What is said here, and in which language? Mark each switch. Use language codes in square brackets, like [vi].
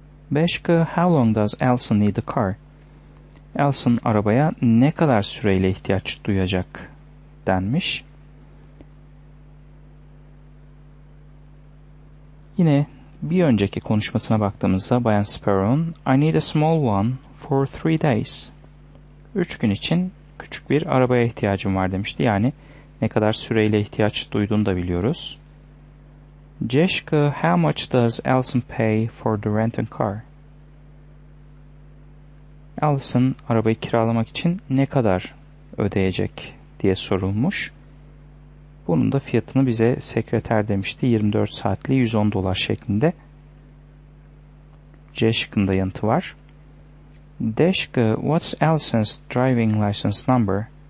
[tr] B şıkkı, [en] how long does Elson need the car? [tr] Elson arabaya ne kadar süreyle ihtiyaç duyacak denmiş. Yine bir önceki konuşmasına baktığımızda Bayan Sparrow'un [en] I need a small one for 3 days. [tr] 3 gün için küçük bir arabaya ihtiyacım var demişti. Yani ne kadar süreyle ihtiyaç duyduğunu da biliyoruz. C şıkkı, [en] how much does Elson pay for the rented car? [tr] Elson arabayı kiralamak için ne kadar ödeyecek diye sorulmuş. Bunun da fiyatını bize sekreter demişti. 24 saatli $110 şeklinde. C şıkkında yanıtı var. D şıkkı, [en] what's Elson's driving license number?